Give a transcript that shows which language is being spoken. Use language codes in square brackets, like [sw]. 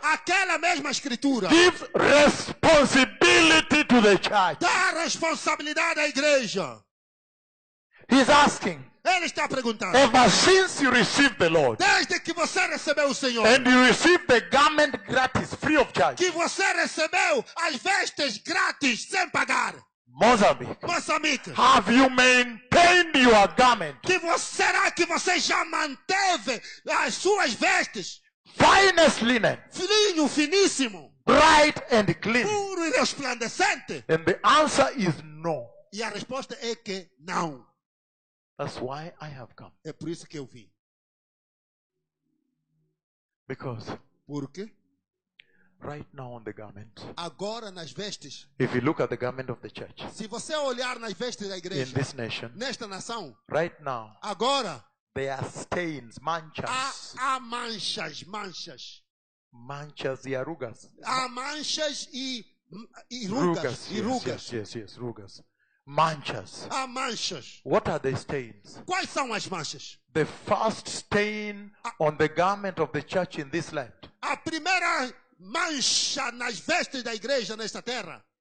[pt] aquela mesma escritura, [en] gives responsibility to the church. [pt] Dá responsabilidade à igreja. [en] He's asking. [pt] Ele está perguntando. [en] Ever since you received the Lord, [pt] desde que você recebeu o Senhor, [en] and you received the garment gratis, free of charge, [pt] que você recebeu as vestes gratis, sem pagar, [en] Moçambique, have you maintained your garment? [pt] Será que você já manteve as suas vestes? [en] Finest linen, [pt] linho finíssimo, [en] bright and clean, [pt] puro e resplandecente. [en] And the answer is no. [pt] E a resposta é que não. [en] That's why I have come. [pt] É por isso que eu vim. [en] Because. [pt] Porque. [en] Right now on the garment. [pt] Agora nas vestes. [en] If you look at the garment of the church. [pt] Se você olhar nas vestes da igreja. [en] In this nation. [pt] Nesta nação. [en] Right now. [pt] Agora. [en] There are stains, manchas. [pt] Há manchas, manchas. Manchas e arrugas. Há manchas e rugas. Rugas. [en] Yes, [pt] rugas. Manchas. Há manchas. [en] What are the stains? [pt] Quais são as manchas? [en] The first stain on the garment of the church in this land. [pt] A primeira mancha nas vestes da igreja nesta terra.